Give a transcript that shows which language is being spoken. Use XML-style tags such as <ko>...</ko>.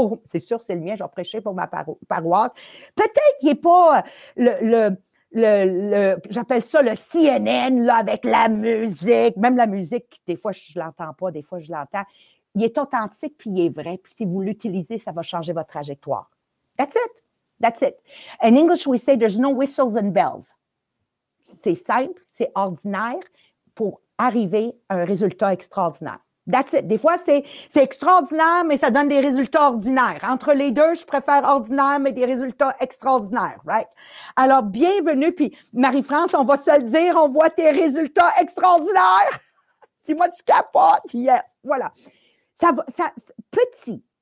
<fr>C'est sûr, c'est le mien, j'en prêchais pour ma paroisse. Peut-être qu'il n'est pas le j'appelle ça le CNN, là, avec la musique. Même la musique, des fois, je l'entends pas, des fois, je l'entends. Il est authentique, puis il est vrai. Puis si vous l'utilisez, ça va changer votre trajectoire.</fr> <en>That's it. In English, we say there's no whistles and bells.</en> <fr>C'est simple, c'est ordinaire pour arriver à un résultat extraordinaire.</fr> <en>That's it.</en> <fr>Des fois, c'est extraordinaire, mais ça donne des résultats ordinaires. Entre les deux, je préfère ordinaire, mais des résultats extraordinaires, right? Alors, bienvenue, puis Marie-France, on va se le dire, on voit tes résultats extraordinaires. Dis-moi, tu capotes, yes, voilà. Ça va, petit,</fr>